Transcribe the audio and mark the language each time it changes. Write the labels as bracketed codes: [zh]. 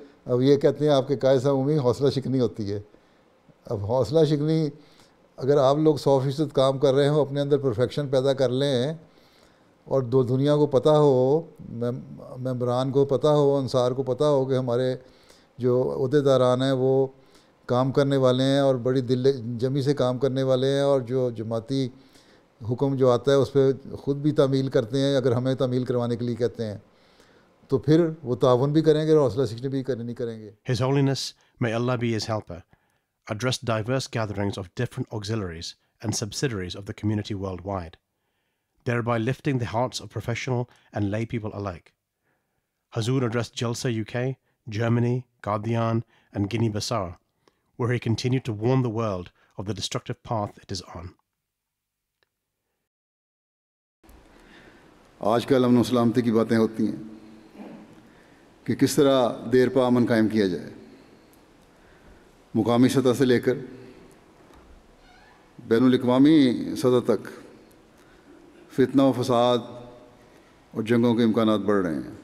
[ur] अब ये कहते हैं आपके कायसा उमी हौसला शिकनी होती है. अब हौसला शिकनी अगर आप लोग 100% काम कर रहे हों, अपने अंदर परफेक्शन पैदा कर लें और दो दुनिया को पता हो, मेंब्रान को पता हो, अंसार को पता हो कि हमारे जो अहदेदारान हैं वो کام کرنے والے ہیں اور بڑی دل جمی سے کام کرنے والے ہیں, اور جو جماعتی حکم جو آتا ہے اس پہ خود بھی تعمیل کرتے ہیں اگر ہمیں تعمیل کروانے کے لیے کہتے ہیں, تو پھر وہ تعاون بھی کریں گے اور حوصلہ سیکھنے بھی کرنے نہیں کریں گے. [en] His Holiness, may Allah be his helper, addressed diverse gatherings of different auxiliaries and subsidiaries of the community worldwide, thereby lifting the hearts of professional and lay people alike. Huzoor addressed Jalsa UK, Germany, Guardian and Guinea-Bissau, where he continued to warn the world of the destructive path it is on. [ur] آج کل امن و سلامتی کی باتیں ہوتی ہیں کہ کس طرح دیر پا امن قائم کیا جائے, مقامی سطح سے لے کر بین الاقوامی سطح تک فتنہ و فساد اور جنگوں کے امکانات بڑھ رہے ہیں.